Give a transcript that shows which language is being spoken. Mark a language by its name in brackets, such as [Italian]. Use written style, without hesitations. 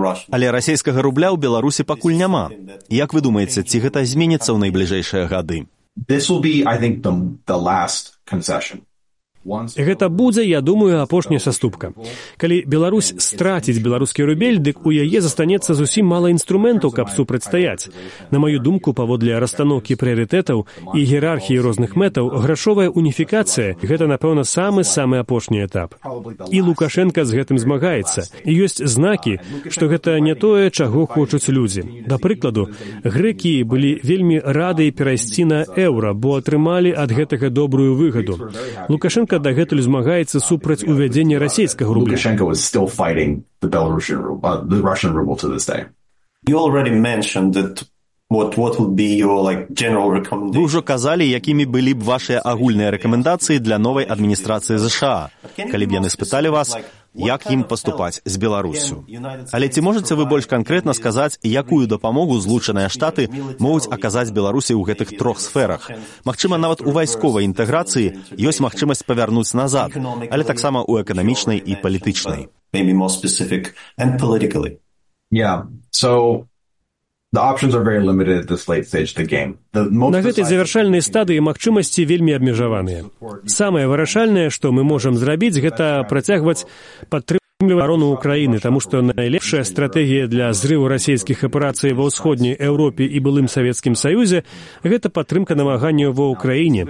[Belarusian] Але расійскага рубля ў Беларусі пакуль няма. Як вы думаеце, ці гэта зменіцца ў найбліжэйшыя гады? [English] This will be, I think, the last concession. [Belarusian] Гэта будзе, я думаю, апошняя саступка. Калі Беларусь страціць беларускі рубель, дык у яе застанецца зусім мала інструментаў, каб супрацьстаяць. На маю думку, паводле расстаноўкі прыярытэтаў і іерархіі розных мэтаў, грашовая уніфікацыя – гэта, напэўна, самы-самы апошні этап. І Лукашэнка з гэтым змагаецца. І ёсць знакі, што гэта не тое, чаго хочуць людзі. Да прыкладу, грэкі былі вельмі рады перайсці на еўра, бо атрымалі ад гэтага добрую выгаду. Лукашэнка дагэтуль змагаецца супраць увядзення расійскага рубля. [English] Lukashenko was still fighting the Belarusian ruble, the Russian ruble to this day. You already mentioned that what would be your like general recommendation. [Belarusian] Вы ўжо казалі, якімі былі б вашыя агульныя рэкамендацыі для новай адміністрацыі ЗША, калі б яны спыталі вас, як ім паступаць з Беларусю. Але ці можаце вы больш канкрэтна сказаць, якую дапамогу Злучаныя Штаты могуць аказаць Беларусі ў гэтых трох сферах? Магчыма, нават у вайсковай інтэграцыі ёсць магчымасць павярнуць назад, але таксама ў эканамічнай і палітычнай. [English] Maybe more specific and politically. Yeah, so the options are very limited at this late stage of the game. [Belarusian] На гэтай завершальнай стадыі магчымасці вельмі абмежаваныя. Самае вырашальнае, што мы можам зрабіць, гэта працягваць падтрымліваць абарону Украіны, таму што найлепшая стратэгія для зрыву расійскіх аперацый ва ўсходняй Еўропе і былым Савецкім Саюзе – гэта падтрымка намаганняў ва Украіне.